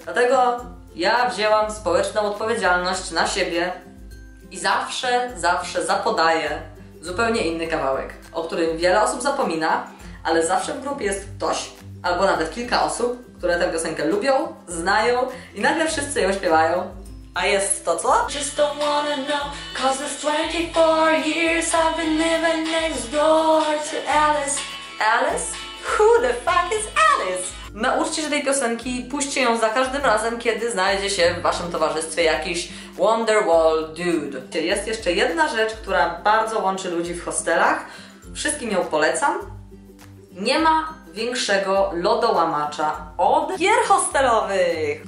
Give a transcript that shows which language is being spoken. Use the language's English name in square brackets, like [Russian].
[Polish] Dlatego ja wzięłam społeczną odpowiedzialność na siebie i zawsze, zawsze zapodaję zupełnie inny kawałek, o którym wiele osób zapomina, ale zawsze w grupie jest ktoś, albo nawet kilka osób, które tę piosenkę lubią, znają i nagle wszyscy ją śpiewają. A jest to co? [English] Just don't wanna know, cause it's 24 years I've been living next door to Alice. Alice? Who the fuck is Alice? [Polish] Nauczcie się tej piosenki, puśćcie ją za każdym razem, kiedy znajdzie się w waszym towarzystwie jakiś Wonderwall dude. Jest jeszcze jedna rzecz, która bardzo łączy ludzi w hostelach. Wszystkim ją polecam. Nie ma większego lodołamacza od gier hostelowych.